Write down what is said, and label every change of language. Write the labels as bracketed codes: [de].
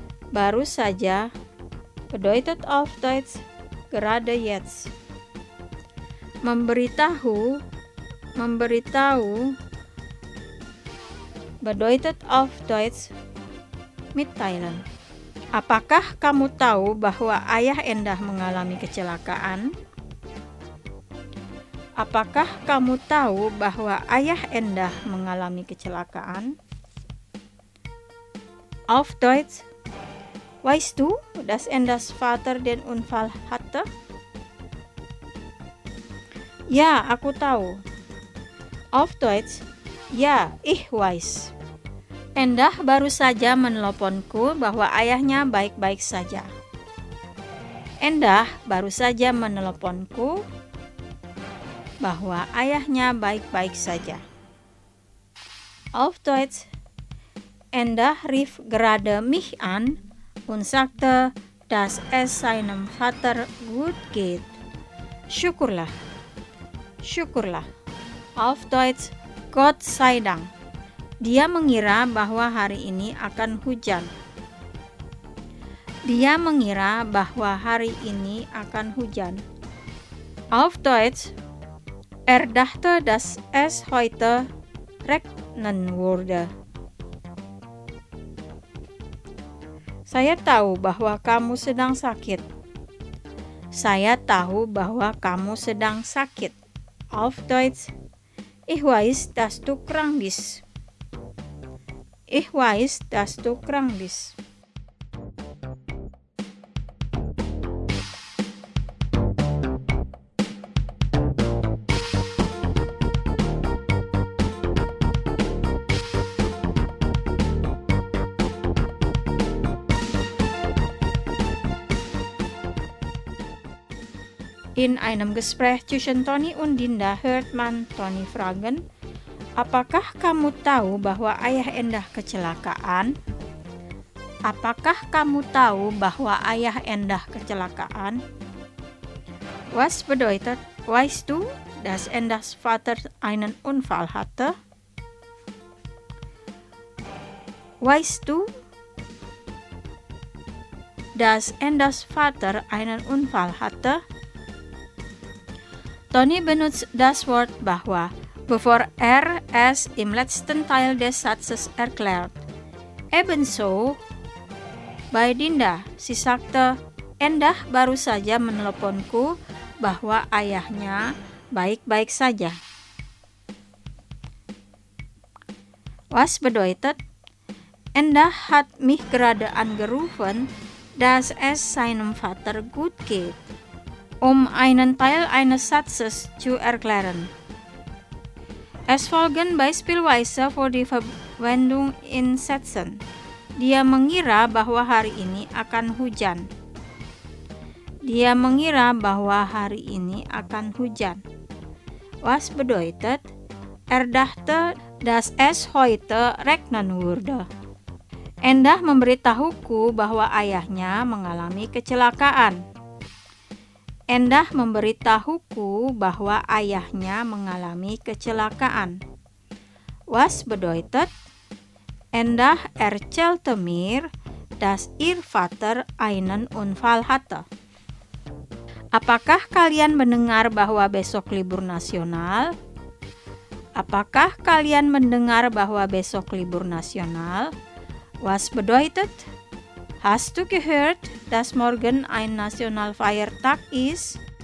[de] Baru saja bedeutet auf Deutsch gerade jetzt. Memberitahu. Memberitahu bedeutet auf Deutsch mitteilen. [id] Apakah kamu tahu bahwa ayah Endah mengalami kecelakaan? Apakah kamu tahu bahwa ayah Endah mengalami kecelakaan? [de] Auf Deutsch. Weißt du, dass Endahs Vater den Unfall hatte? [id] Ja, aku tahu. [de] Auf Deutsch. Ja, ich weiß. [id] Endah baru saja menelponku bahwa ayahnya baik-baik saja. Endah baru saja menelponku bahwa ayahnya baik-baik saja. [de] Auf Deutsch. Endah rief gerade mich an und sagte, dass es seinem Vater gut geht. [id] Syukurlah. Syukurlah. [de] Auf Deutsch, Gott sei Dank. [id] Dia mengira bahwa hari ini akan hujan. Dia mengira bahwa hari ini akan hujan. [de] Auf Deutsch, dachte, dass es heute regnen würde. [id] Saya tahu bahwa kamu sedang sakit. Saya tahu bahwa kamu sedang sakit. [de] Auf Deutsch, ich weiß, dass du krank bist. Ich weiß, dass du krank bist. In einem Gespräch zwischen Toni und Dinda hört man Toni fragen, [id] apakah kamu tahu bahwa ayah Endah kecelakaan? Apakah kamu tahu bahwa ayah Endah kecelakaan? [de] Was bedeutet, weißt du, dass Endahs Vater einen Unfall hatte? Weißt du, dass Endahs Vater einen Unfall hatte? Toni benutzt das Wort bahwa, bevor es im letzten Teil des Satzes erklärt. Ebenso bei Dinda, sie sagte, [id] Endah baru saja menelponku bahwa ayahnya baik-baik saja. [de] Was bedeutet? Endah hat mich gerade angerufen, dass es seinem Vater gut geht. Einen Teil eines Satzes zu erklären. Es folgen Beispielweise für die Verwendung in Sätzen. [id] Dia mengira bahwa hari ini akan hujan. Dia mengira bahwa hari ini akan hujan. [de] Was bedeutet? Dachte, dass es heute regnen würde. [id] Endah memberitahuku bahwa ayahnya mengalami kecelakaan. Endah memberitahuku bahwa ayahnya mengalami kecelakaan. [de] Was bedeutet? Endah erzählte mir, dass ihr Vater einen Unfall hatte. [id] Apakah kalian mendengar bahwa besok libur nasional? Apakah kalian mendengar bahwa besok libur nasional? [de] Was bedeutet? Hast du gehört, dass morgen ein Nationalfeiertag ist?